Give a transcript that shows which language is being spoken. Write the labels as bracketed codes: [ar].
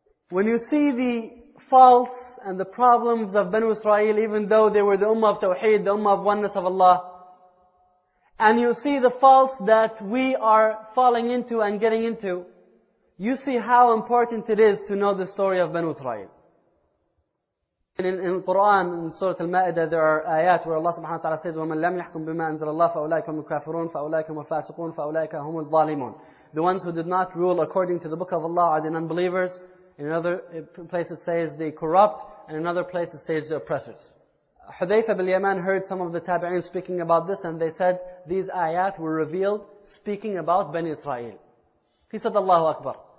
[en] When you see the faults and the problems of Banu Israel, even though they were the Ummah of Tawheed, the Ummah of Oneness of Allah, and you see the faults that we are falling into and getting into, you see how important it is to know the story of Banu Israel. In Quran, in Surah Al-Ma'idah, there are ayat where Allah subhanahu wa ta'ala says, [ar] وَمَنْ لَمْ يَحْكُمْ بِمَا أَنْزَلَ اللَّهِ فَأُولَٰئِكَ هُمُ الْكَافِرُونَ فَأُولَٰئِكَ هُمُ الْفَاسِقُونَ فَأُولَٰئِكَ هُمُ الظَّالِمُونَ. [en] The ones who did not rule according to the book of Allah are the non-believers. In another place it says the corrupt, and in another place it says the oppressors. Hudhayfa bin Yaman heard some of the tabi'in speaking about this, and they said these ayat were revealed speaking about Bani Israel. He said, Allahu Akbar.